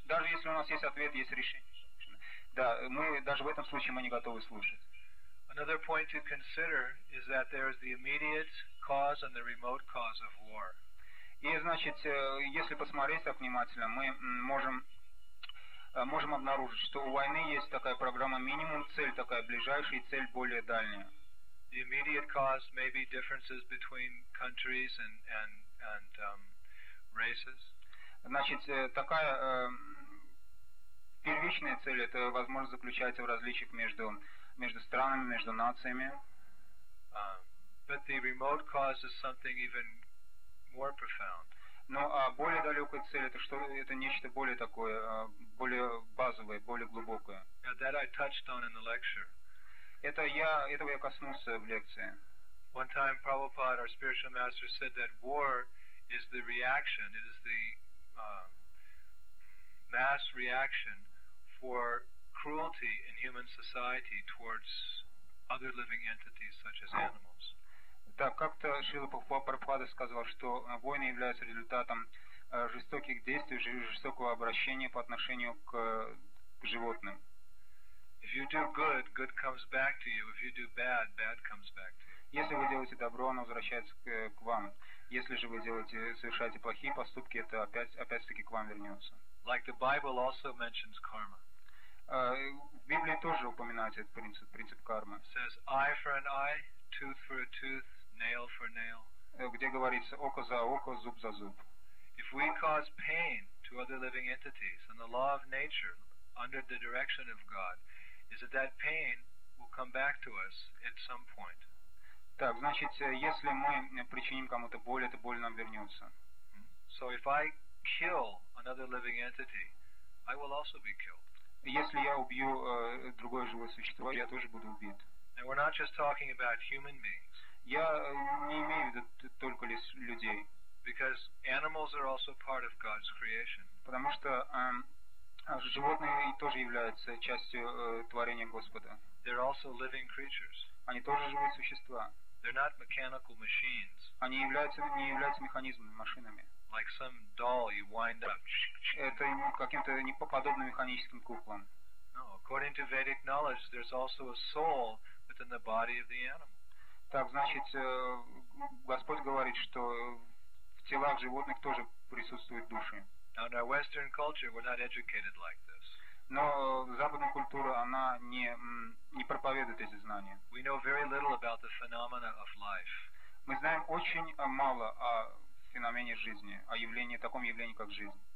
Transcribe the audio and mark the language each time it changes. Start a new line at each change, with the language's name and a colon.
Russian: Даже если у нас есть ответ, есть решение. Да, мы даже в этом случае мы не готовы слушать.
English: Another point to consider is that there is the immediate cause and the remote cause of war.
Russian: И значит, если посмотреть так внимательно, мы можем обнаружить, что у войны есть такая программа минимум, цель такая ближайшая, цель более дальняя.
English: The immediate cause may be differences between countries and races.
Russian: Значит, такая первичная цель, это возможно заключается в различиях между странами, между нациями.
English: But the remote cause is something even more profound.
Russian: Ну, а более далекая цель, это нечто более такое, более базовое, более глубокое.
English: That I touched on in the lecture.
Russian: Этого я коснулся в лекции.
English: One time Prabhupada, our spiritual master, said that war is the reaction, it is the mass reaction for cruelty in human society towards other living entities such as animals.
Russian: Так, как-то Шрила Прабхупада сказал, что войны являются результатом жестоких действий, жестокого обращения по отношению к животным.
English: If you do good, good comes back to you. If you do bad, bad comes back to you.
Russian: Если вы делаете добро, оно возвращается к вам. Если же вы совершаете плохие поступки, это опять-таки к вам вернется.
English: Like the Bible also mentions karma.
Russian: В Библии тоже упоминается этот принцип кармы.
English: It says eye for an eye, tooth for a tooth, nail for nail.
Russian: Где говорится око за око, зуб за зуб.
English: If we cause pain to other living entities, then the law of nature, under the direction of God, is that that pain will come back to us at some point.
Russian: Так, значит, если мы причиним кому-то боль, эта боль нам вернется.
English: So if I kill another living entity, I will also be killed.
Russian: Если я убью другое живое существо, я тоже буду убит.
English: And we're not just talking about human beings.
Russian: Я не имею в виду только лишь людей.
English: Because animals are also part of God's creation.
Russian: Потому что животные тоже являются частью творения Господа.
English: They're also living creatures.
Russian: Они тоже живые существа.
English: They're not mechanical machines.
Russian: Они не являются механизмами, машинами.
English: Like some doll you wind up.
Russian: Это каким-то неподобным механическим куклам.
English: No, according to Vedic knowledge, there's also a soul within the body of the animal.
Russian: Так, значит, Господь говорит, что в телах животных тоже присутствуют души.
English: Now, in our Western culture, we're not educated like this.
Russian: Но западная культура, она не проповедует эти знания.
English: We know very little about the phenomena of life.
Russian: Мы знаем очень мало о феномене жизни, о явлении, таком явлении, как жизнь.